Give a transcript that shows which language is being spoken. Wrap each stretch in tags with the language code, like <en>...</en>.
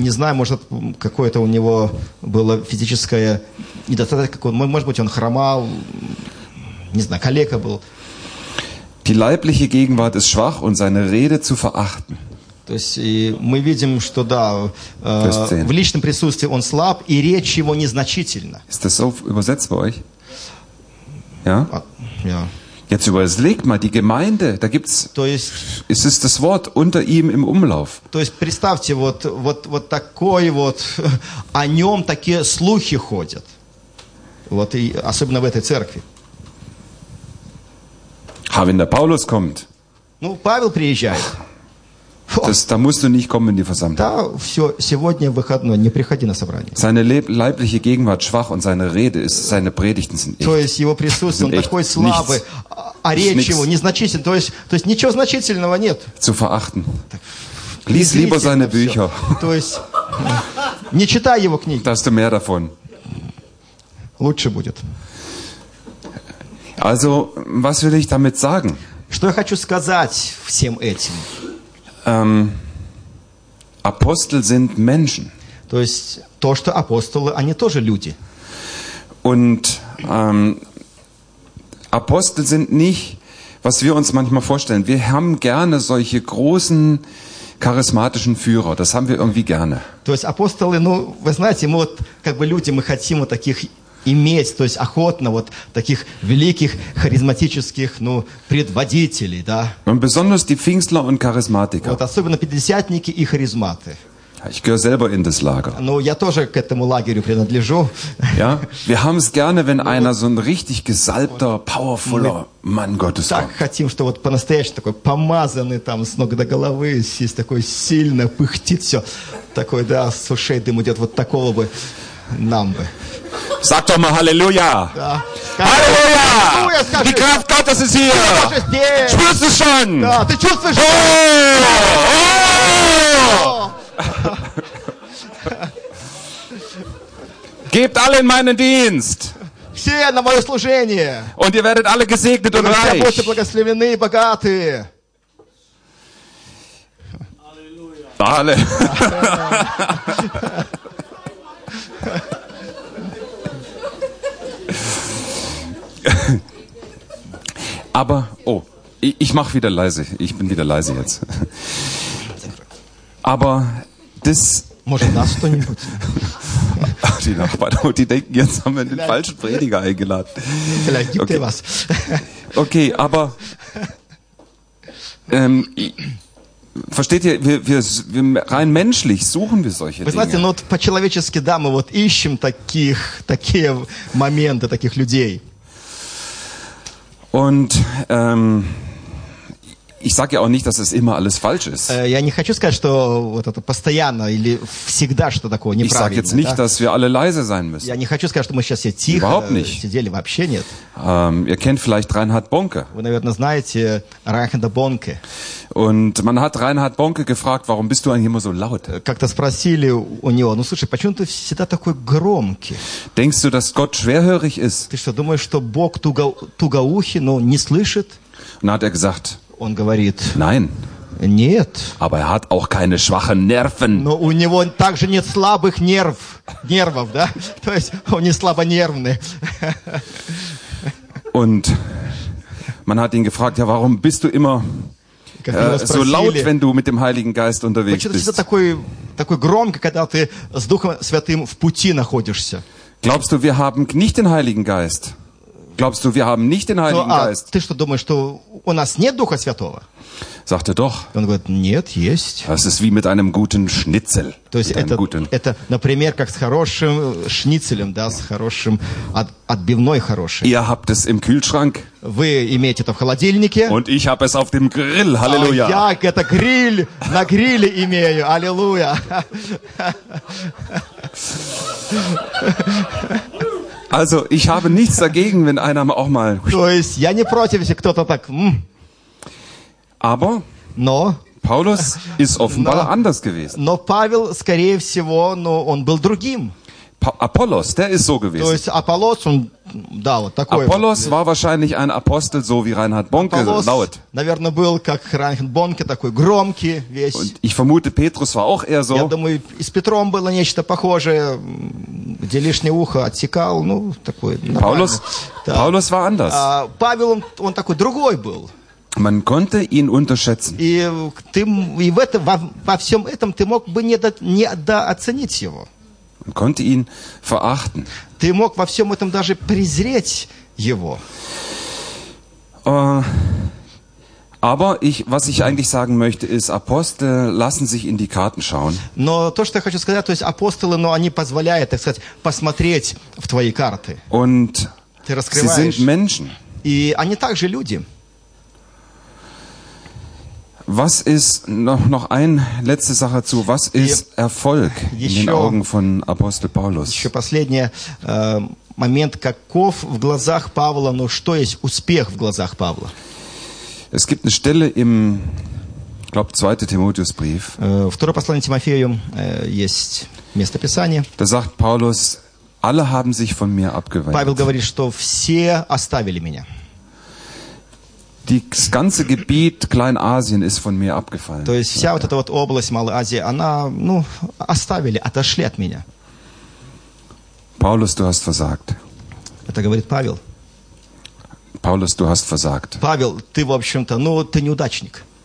<ru>Не знаю, может, какое-то у него было физическое недостаток, может быть, он хромал, не знаю, калека был.</ru> <de>Die leibliche Gegenwart ist schwach und seine Rede zu verachten.</de> <ru>То есть мы видим, что да, в личном присутствии он слаб и речь его незначительна.</ru> <de>Ist das so übersetzt bei euch? Ja? Ja. Jetzt überlegt mal, die Gemeinde, da gibt's,</de> <ru>то есть,</ru> <de>es ist das Wort unter ihm im Umlauf.</de> <ru>То есть представьте, вот такой вот, о нем такие слухи ходят. Вот и особенно в этой церкви. А</ru> <de>wenn der Paulus kommt.</de> <ru>Ну, Павел приезжает.</ru> <de>Da musst du nicht kommen in die Versammlung.</de> <ru>Да, все, сегодня выходной, не приходи на собрание.</ru> <de>Seine leibliche Gegenwart schwach und seine Rede ist, seine Predigten sind echt.</de> <ru>То есть его присутствие, он такой слабый, а речь его незначительна. То есть ничего значительного нет.</ru> <de>Zu verachten. Lies lieber seine Bücher.</de> <ru>То есть не читай его книги.</ru> <de>Da hast du mehr davon.</de> <ru>Лучше будет.</ru> <de>Also, was will ich damit sagen?</de> <ru>Что я хочу сказать всем этим?</ru> <de>Apostel sind Menschen.</de> <ru>То есть то, что апостолы, они тоже люди.</ru> <de>Und Apostel sind nicht, was wir uns manchmal vorstellen. Wir haben gerne solche großen charismatischen Führer. Das haben wir irgendwie gerne.</de> <ru>То есть апостолы, ну, вы знаете, мы вот как бы люди, мы хотим вот таких иметь, то есть охотно вот таких великих харизматических, ну, предводителей, да.</ru> <de>Und besonders die Pfingstler und Charismatiker.</de> <ru>Вот особенно пятидесятники и харизматы.</ru> <de>Ich gehöre selber in das Lager.</de> <ru>Ну, я тоже к этому лагерю принадлежу.</ru> <de>Ja, wir haben es gerne, wenn einer so ein richtig gesalbter, powerfuler Mann Gottes kommt.</de> <ru>Так хотим, что вот по-настоящему такой помазанный там с ног до головы, сесть такой сильно пыхтит все, такой, да, с ушей дым идет, вот такого бы нам бы.</ru> <de>Sag doch mal Halleluja! Ja. Halleluja! Die Kraft Gottes ist hier! Spürst du es schon? Ja, du spürst es schon! Oh! Oh! Gebt alle in meinen Dienst!</de> <ru>Все на мое служение!</ru> <de>Und ihr werdet alle gesegnet und reich! Und</de> <ru>будьте благословлены и богаты!</ru> <de>Halleluja! Halleluja! Aber, oh, ich mache wieder leise. Ich bin wieder leise jetzt. Aber das... Die Nachbarn, die denken, jetzt haben wir den falschen Prediger eingeladen. Vielleicht gibt er was. Okay, aber... versteht ihr, wir rein menschlich suchen wir solche Dinge.</de> <ru>Вы знаете, ну, по-человечески, да, мы вот ищем таких, такие моменты, таких людей.</ru> <de>Und ich sage ja auch nicht, dass es immer alles falsch ist.</de> <ru>Я не хочу сказать, что вот это постоянно или всегда что такое неправильно.</ru> <de>Ich sage jetzt nicht, dass wir alle leise sein müssen.</de> <ru>Я не хочу сказать, что мы сейчас все тихо сидели, вообще нет.</ru> <de>Ihr kennt vielleicht Reinhard Bonnke.</de> <ru>Вы, наверное, знаете Reinhard Bonnke.</ru> <de>Und man hat Reinhard Bonnke gefragt, warum bist du eigentlich immer so laut?</de> <ru>Как-то спросили у него, ну слушай, почему ты всегда такой громкий?</ru> <de>Denkst du, dass Gott schwerhörig ist?</de> <ru>Ты что, думаешь, что Бог тугоухий, но не слышит?</ru> <de>Und hat er gesagt,</de> <ru>он говорит,</ru> <de>nein.</de> <ru>Нет.</ru> <de>Aber er hat auch keine schwachen Nerven.</de> <ru>Но у него также нет слабых нервов, да? То есть он не слабонервный.</ru> <de>Und man hat ihn gefragt, ja, warum bist du immer so laut, wenn du mit dem Heiligen Geist unterwegs bist?</de> <ru>Почему ты такой, такой громкий, когда ты с Духом Святым в пути находишься?</ru> <de>Glaubst du, wir haben nicht den Heiligen Geist? Glaubst du, wir haben nicht den Heiligen Geist?</de> <ru>Ты что думаешь, что у нас нет Духа Святого?</ru> <de>Sagt er doch.</de> <ru>Он говорит, нет, есть.</ru> <de>Das ist wie mit einem guten Schnitzel.</de> <ru>То есть это,</ru> <de>guten...</de> <ru>это, например, как с хорошим шницелем, да, с хорошим отбивной хорошей.</ru> <de>Ihr habt es im Kühlschrank.</de> <ru>Вы имеете это в холодильнике.</ru> <de>Und ich habe es auf dem Grill, Halleluja.</de> <ru>Я это гриль, на гриле имею, Halleluja.</ru> <de>Also, ich habe nichts dagegen, wenn einer auch mal...</de> <ru>То есть, я не против, если кто-то так...</ru> <de>Aber</de> <ru>но,</ru> <de>Paulus ist offenbar</de> <ru>но,</ru> <de>anders gewesen.</de> <ru>Но Павел, скорее всего, ну, он был другим.</ru> <de>Apollos, der ist so gewesen.</de> <ru>То есть Аполлос, он, да, вот такой.</ru> <de>Apollos war wahrscheinlich ein Apostel, so wie Reinhard Bonnke, Apollos, laut.</de> <ru>Наверное, был как Reinhard Bonnke, такой громкий весь.</ru> <de>Und ich vermute, Petrus war auch eher so.</de> <ru>Я думаю, и с Петром было нечто похожее, где лишнее ухо отсекал, ну, такой.</ru> <de>Paulus,</de> <ru>да.</ru> <de>Paulus war anders.</de> <ru>А, Павел, он такой другой был.</ru> <de>Man konnte ihn unterschätzen.</de> <ru>И ты и в этом во всем этом ты мог бы недооценить его.</ru> <de>Man konnte ihn verachten.</de> <ru>Ты мог во всем этом даже презреть его.</ru> <de>Aber ich, was ich eigentlich sagen möchte, ist, Apostel lassen sich in die Karten schauen.</de> <ru>Но то, что я хочу сказать, то есть апостолы, но они позволяют, так сказать, посмотреть в твои карты.</ru> <de>Und</de> <ru>ты раскрываешь.</ru> <de>Sie sind Menschen.</de> <ru>И они также люди.</ru> <de>Was ist noch ein letzte Sache zu? Was ist Erfolg in den Augen von Apostel Paulus?</de> <ru>Еще последний момент, каков в глазах Павла, ну что есть успех в глазах Павла?</ru> <de>Es gibt eine Stelle im, glaube, 2. Timotheusbrief.</de> <ru>Второе послание Тимофею есть место Писания.</ru> <de>Da sagt Paulus, alle haben sich von mir abgewandt.</de> <ru>Павел говорит, что все оставили меня.</ru> <de>Das ganze Gebiet Kleinasien ist von mir abgefallen.</de> <ru>То есть вся вот эта вот область Малой Азии, она, ну, оставили, отошли от меня.</ru> <de>Paulus, du hast versagt.</de> <ru>Это говорит Павел.</ru> <de>Paulus, du hast versagt.</de> <ru>Павел, ты, в общем-то, ну, ты неудачник.</ru>